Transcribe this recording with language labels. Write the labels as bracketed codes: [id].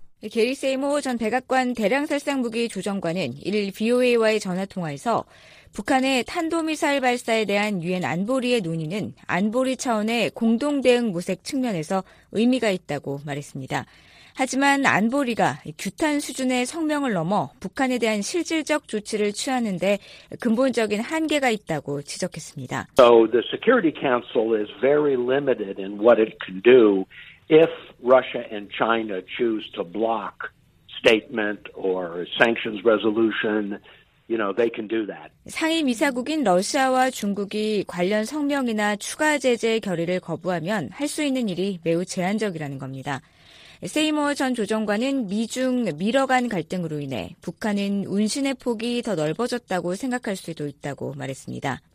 [ko] 게리 세이모 전 백악관 대량살상무기 조정관은 1일 VOA와의 전화통화에서 북한의 탄도미사일 발사에 대한 유엔 안보리의 논의는 안보리 차원의 공동대응 모색 측면에서 의미가 있다고 말했습니다. 하지만 안보리가 규탄 수준의 성명을 넘어 북한에 대한 실질적 조치를 취하는 데 근본적인 한계가 있다고 지적했습니다. [en] So the Security Council is very limited in what it can do if Russia and China choose to block statement or sanctions resolution. You know, they can do that. [ko] 상임이사국인 러시아와 중국이 관련 성명이나 추가 제재 결의를 거부하면 할 수 있는 일이 매우 제한적이라는 겁니다. 세이머 전 조정관은 미중 미러 간 갈등으로 인해 북한은 운신의 폭이 더 넓어졌다고 생각할 수도 있다고 말했습니다.